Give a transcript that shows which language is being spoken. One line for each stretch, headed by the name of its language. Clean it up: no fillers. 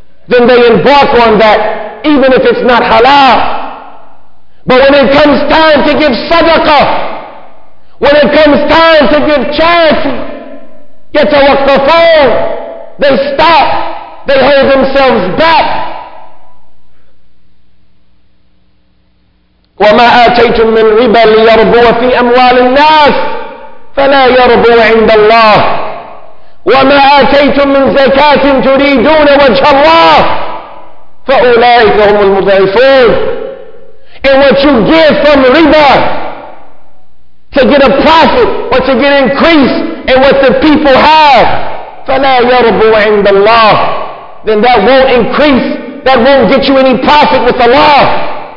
English: then they embark on that even if it's not halal. But when it comes time to give sadaqah, when it comes time to give charity,
Arabic: يتوقفون,
English: they stop, they hold themselves back.
Arabic: وما آتيتم من ربا ليربو في أموال الناس فلا يربو عند الله. وما آتيتم من زكاة تريدون وجه الله فأولئك هم المضعفون.
English: And what you give from riba to get a profit or to get increase in what the people have,
Arabic: فلا يربو عند الله,
English: then that won't increase, that won't get you any profit with Allah.